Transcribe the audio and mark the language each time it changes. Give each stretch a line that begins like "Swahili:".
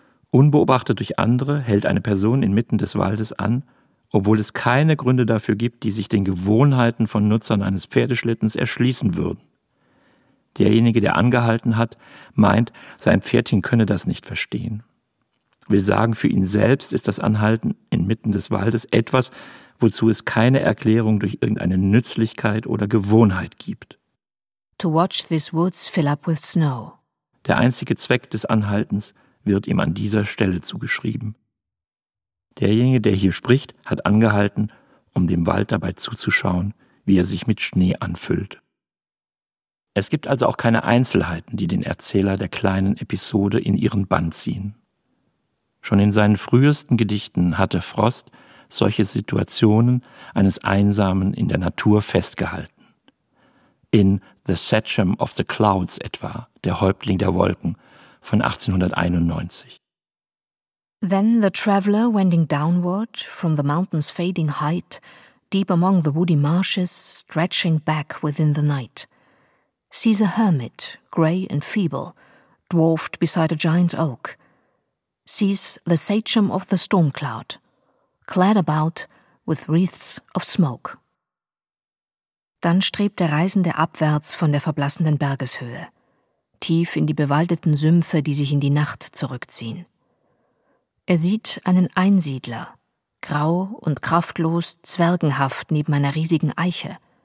German: Unbeobachtet durch andere hält eine Person inmitten des Waldes an, obwohl es keine Gründe dafür gibt, die sich den Gewohnheiten von Nutzern eines Pferdeschlittens erschließen würden. Derjenige, der angehalten hat, meint, sein Pferdchen könne das nicht verstehen. Will sagen, für ihn selbst ist das Anhalten inmitten des Waldes etwas, wozu es keine Erklärung durch irgendeine Nützlichkeit oder Gewohnheit gibt.
English: To watch these woods fill up with snow.
German: Der einzige Zweck des Anhaltens wird ihm an dieser Stelle zugeschrieben. Derjenige, der hier spricht, hat angehalten, um dem Wald dabei zuzuschauen, wie er sich mit Schnee anfüllt. Es gibt also auch keine Einzelheiten, die den Erzähler der kleinen Episode in ihren Bann ziehen. Schon in seinen frühesten Gedichten hatte Frost solche Situationen eines Einsamen in der Natur festgehalten. In The Sachem of the Clouds etwa, Der Häuptling der Wolken von 1891.
English: Then the traveller wending downward from the mountain's fading height, deep among the woody marshes, stretching back within the night, sees a hermit, grey and feeble, dwarfed beside a giant oak, sees the sachem of the storm cloud, clad about with wreaths of smoke.
German: Dann strebt der Reisende abwärts von der verblassenden Bergeshöhe, tief in die bewaldeten Sümpfe, die sich in die Nacht zurückziehen. Er sieht einen Einsiedler, grau und kraftlos, zwergenhaft neben einer riesigen Eiche.